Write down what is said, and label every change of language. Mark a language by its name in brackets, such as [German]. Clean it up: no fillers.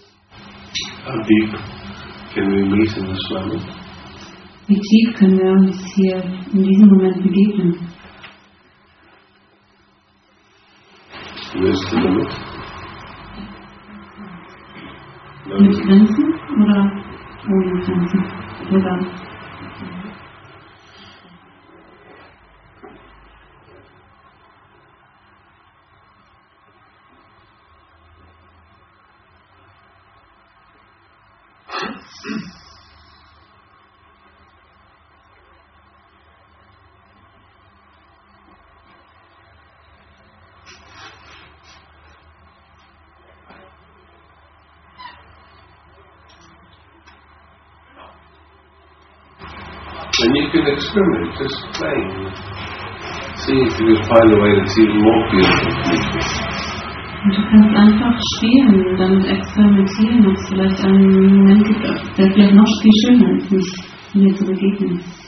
[English] How deep can we meet in this moment? [German] Wie tief können wir uns hier in diesem Moment begegnen? [English] Where's the limit? [German] Mit Grenzen oder ohne Grenzen? Oder? [English] And you can experiment, just playing. See if you can find a way that's even more beautiful. [German] Du kannst einfach spielen und dann experimentieren, was vielleicht einen Moment gibt, der vielleicht noch viel schöner ist, mich mir zu begegnen.